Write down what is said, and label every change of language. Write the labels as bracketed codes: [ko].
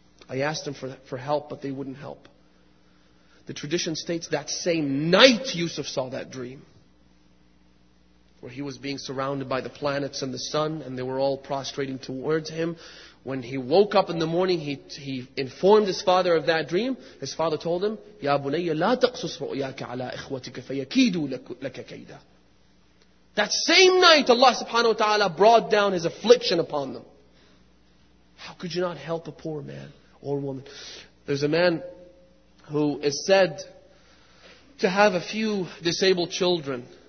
[en] I asked him for help, but they wouldn't help. The tradition states that same night Yusuf saw that dream. where he was being surrounded by the planets and the sun, and they were all prostrating towards him. When he woke up in the morning, he informed his father of that dream. His father told him, [ar] يَا بُنَيَّ لَا تَقْصُصْ رُؤْيَاكَ عَلَىٰ إِخْوَتِكَ فَيَكِيدُوا لَكَ كَيْدًا. [en] That same night, Allah subhanahu wa ta'ala brought down his affliction upon them. How could you not help a poor man or woman? There's a man who is said to have a few disabled children.